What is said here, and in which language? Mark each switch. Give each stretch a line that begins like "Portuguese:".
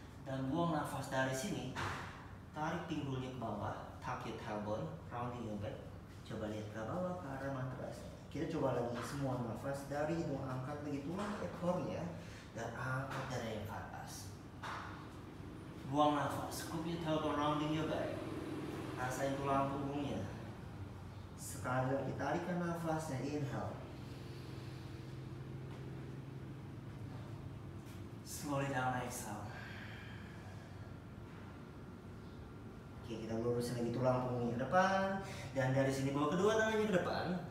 Indonesian: Dan buang nafas dari sini. Tarik pinggulnya ke bawah, tuck your tailbone, rounding your back. Coba lihat ke bawah ke arah matras. Kita coba lagi semua nafas dari hidung, angkat lagi tulang ekornya dan angkat dari yang ke atas.
English: Buang nafas, scoop your tailbone, rounding your back.
Indonesian: Rasain tulang punggungnya. Sekali lagi tarikkan nafasnya, inhale.
English: Slowly down, exhale.
Indonesian: Oke, kita lurusin lagi tulang punggungnya ke depan. Dan dari sini bawa kedua tangannya ke depan.